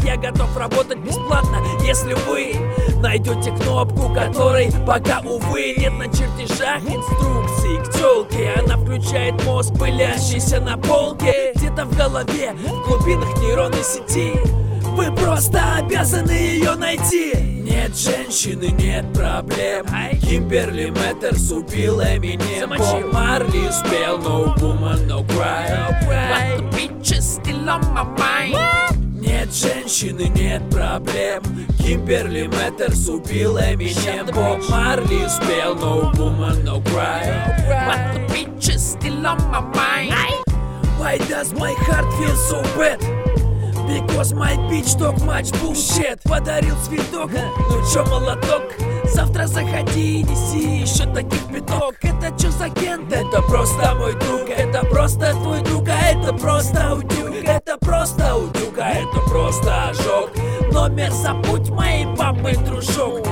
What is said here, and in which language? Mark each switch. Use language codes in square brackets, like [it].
[ru] Я готов работать бесплатно, если вы найдете кнопку, которой пока, увы, нет на чертежах инструкции к тёлке. Она включает мозг, пылящийся на полке. Где-то в голове, в глубинах нейронной сети, вы просто обязаны ее найти. Нет женщины, нет проблем. Кимберли Мэттерс убил Эминем. Боб Марли спел [en] No Woman No Cry. But the bitch is still on my mind. Нет женщины, нет проблем. Кимберли Мэттерс убил Эминем. [ru] Боб Марли спел [en] No Woman No Cry. But the bitch is still on my mind. Why does my heart feel so bad? Because my bitch talk much bullshit. [ru] Подарил цветок, ну чё молоток? Завтра заходи и неси ещё таких пяток. Это чё за кент? Это просто мой друг. Это просто твой друг, а это просто утюг. Это просто утюг, а это просто ожог. Номер забудь моей бабы, дружок.